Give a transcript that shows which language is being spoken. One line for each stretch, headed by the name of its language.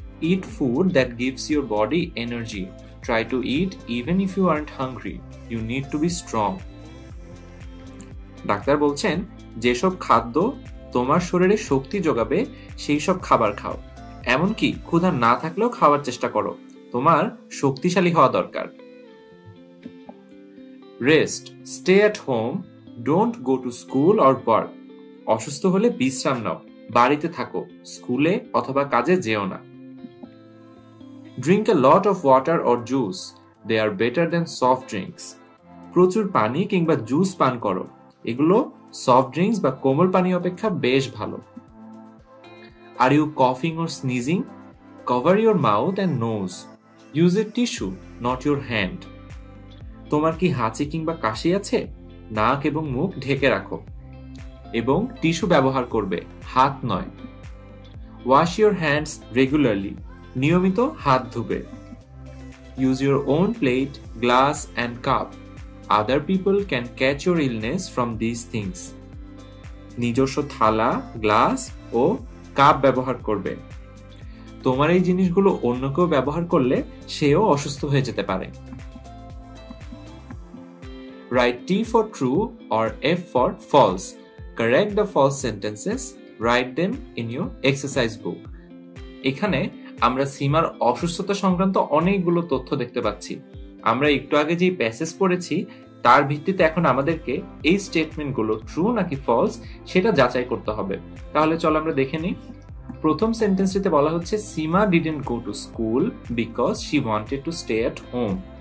English: Eat food that gives your body energy. Try to eat even if you aren't hungry. You need to be strong.
Bangla: Doctor বলছেন যেসব খাদ্য তোমার শরীরে শক্তি যোগাবে সেই সব খাবার খাও, এমনকি ক্ষুধা না থাকলেও খাওয়ার চেষ্টা করো, তোমার শক্তিশালী হওয়া দরকার।
English: Rest, stay at home, don't go to school or work.
Bangla: অসুস্থ হলে বিশ্রাম নাও, বাড়িতে থাকো, স্কুলে অথবা কাজে যেও না।
English: Drink a lot of water or juice, they are better than soft drinks.
Bangla: প্রচুর পানি কিংবা জুস পান করো, এগুলো সফট ড্রিঙ্কস বা কোমল পানি অপেক্ষা বেশ ভালো।
English: Are you coughing or sneezing? Cover your mouth and nose. Use a tissue, not your hand.
Bangla: তোমার কি হাঁচি কিংবা কাশি আছে? নাক এবং মুখ ঢেকে রাখো এবং টিস্যু ব্যবহার করবে, হাত নয়।
English: Wash your hands regularly.
Bangla: নিয়মিত হাত ধুবে।
English: Use your own plate, glass and cup. Other people can catch your illness from this things.
Bangla: নিজস্ব থালা, গ্লাস ও কাপ ব্যবহার করবে। তোমার এই জিনিসগুলো অন্য কেউ ব্যবহার করলে সেও অসুস্থ হয়ে যেতে পারে।
English: Write T for true or F for false. correct the false sentences, write them in your exercise book.
Bangla: এখানে আমরা সীমার অসুস্থতা সংক্রান্ত অনেকগুলো তথ্য দেখতে পাচ্ছি। আমরা একটু আগে যে প্যাসেজ পড়েছি তার ভিত্তিতে এখন আমাদেরকে এই স্টেটমেন্টগুলো ট্রু নাকি ফলস সেটা যাচাই করতে হবে। তাহলে চলো আমরা দেখে নিই। প্রথম সেন্টেন্সটিতে বলা হচ্ছে
English: Seema didn't go to school because she wanted to stay at home.